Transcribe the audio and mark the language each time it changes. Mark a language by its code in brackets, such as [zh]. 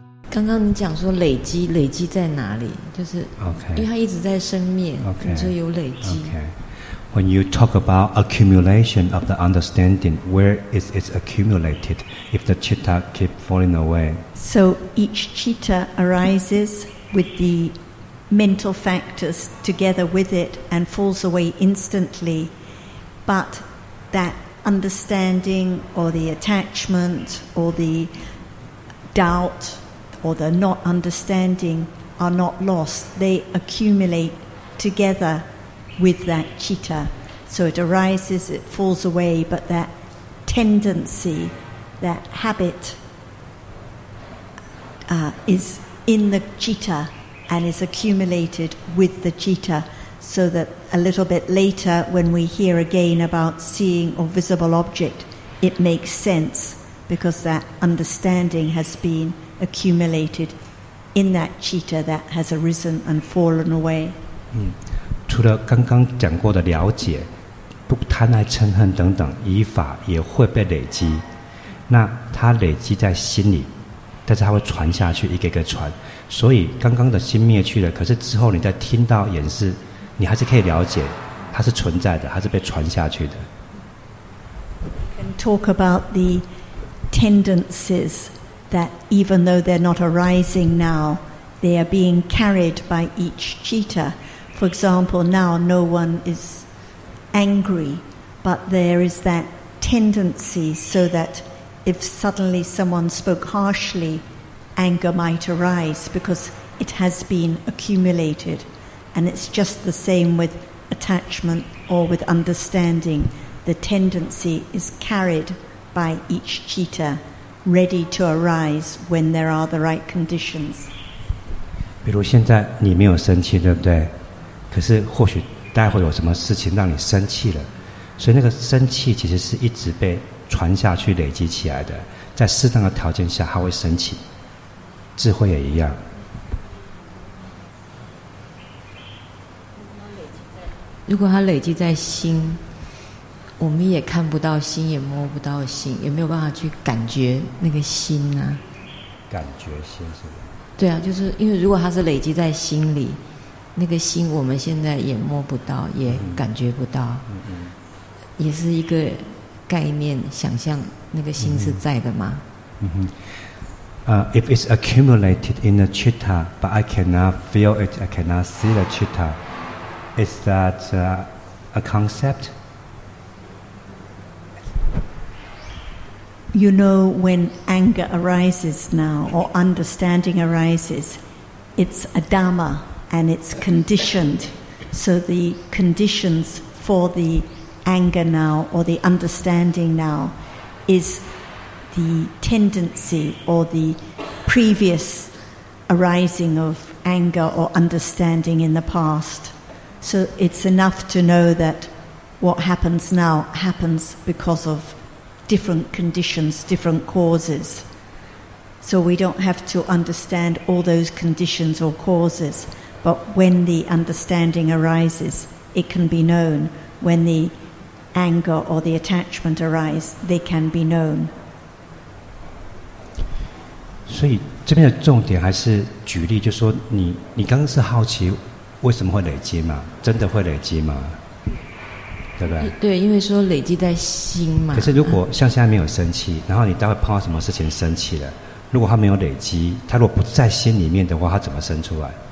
[zh] 刚刚你讲说累积，累积在哪里？就是 OK，因为它一直在生灭， okay，你就有累积。 Okay. [en] When you talk about accumulation of the understanding, where is it accumulated? If the citta keep falling away, so each citta arises with the mental factors together with it and falls away instantly, but that understanding or the attachment or the doubt or the not understanding are not lost. They accumulate together with that citta. So it arises, it falls away, but that tendency, that habit, is in the citta and is accumulated with the citta. So that a little bit later, when we hear again about seeing or visible object, it makes sense because that understanding has been accumulated in that citta that has arisen and fallen away. [zh] 除了刚刚讲过的了解，不贪爱嗔恨等等，依法也会被累积。那它累积在心里，但是它会传下去，一个一个传。所以刚刚的心灭去了，可是之后你在听到演示。你还是可以了解，它是存在的，它是被传下去的。 [en] And talk about the tendencies that even though they're not arising now, they are being carried by each citta. For example, now no one is angry, but there is that tendency so that if suddenly someone spoke harshly, anger might arise because it has been accumulated. And it's just the same with attachment or with understanding. The tendency is carried by each citta, ready to arise when there are the right conditions. [zh] 比如现在你没有生气，对不对？可是或许待会有什么事情让你生气了，所以那个生气其实是一直被传下去、累积起来的。在适当的条件下，它会生气，智慧也一样。如果它累积在心，我们也看不到心，也摸不到心，也没有办法去感觉那个心啊。感觉心是吧？对啊，就是因为如果它是累积在心里，那个心我们现在也摸不到，也感觉不到，也是一个概念，想象那个心是在的吗？ [en] If it's accumulated in the citta, but I cannot feel it, I cannot see the citta. Is that a concept? You know, when anger arises now, or understanding arises, it's a dhamma, and it's conditioned. So the conditions for the anger now, or the understanding now, is the tendency, or the previous arising of anger or understanding in the past. So it's enough to know that what happens now happens because of different conditions, different causes. So we don't have to understand all those conditions or causes, but when the understanding arises, it can be known. When the anger or the attachment arise, they can be known. [zh] 所以这边的重点还是举例，就说你刚刚是好奇。为什么会累积吗？真的会累积吗？对不对？对，因为说累积在心嘛。可是如果像现在没有生气，然后你待会碰到什么事情生气了，如果他没有累积，他如果不在心里面的话，他怎么生出来